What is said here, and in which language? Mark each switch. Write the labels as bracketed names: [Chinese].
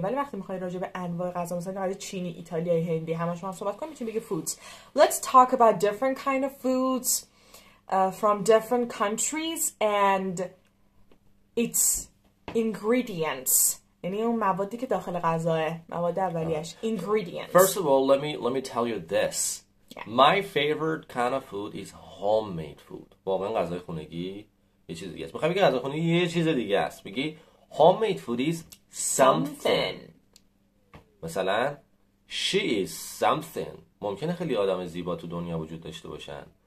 [Persian] ولی وقتی میخوایی راجع به انواع غذا مثلا غذا چینی، ایتالیایی، هندی همه شما هم صحبت کنیم میتونی بگه foods. [English] Let's talk about different kind of foods from different countries and its ingredients. [Persian] یعنی اون موادی که داخل غذاه، مواد اولیه‌اش، ingredients. [English] First of all, let me tell you this. Yeah. My favorite kind of food is homemade food. [Persian] واقعا غذای خانگی یه چیز دیگه است. میخوای بگی غذای خانگی یه چیز دیگه است. میگی [English] homemade food is something. [Persian] مثلا [English] she is something. [Persian] ممکنه خیلی آدم زیبا تو دنیا وجود داشته باشن.